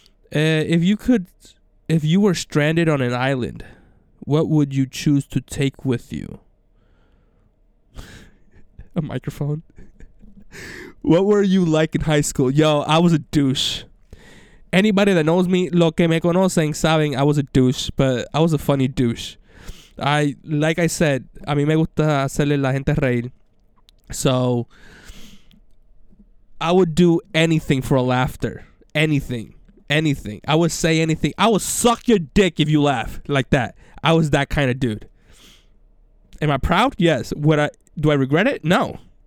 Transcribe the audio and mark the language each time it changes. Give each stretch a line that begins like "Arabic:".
English: If you were stranded on an island, what would you choose to take with you? A microphone. What were you like in high school? Yo, I was a douche. Anybody that knows me,
Spanish: lo que me conocen, saben,
English: I was a douche, but I was a funny douche. Like I said,
Spanish: a mí me gusta hacerle la gente reír.
English: So, I would do anything for a laughter. Anything. Anything. I would say anything. I would suck your dick if you laugh like that. I was that kind of dude. Am I proud? Yes. Do I regret it? No.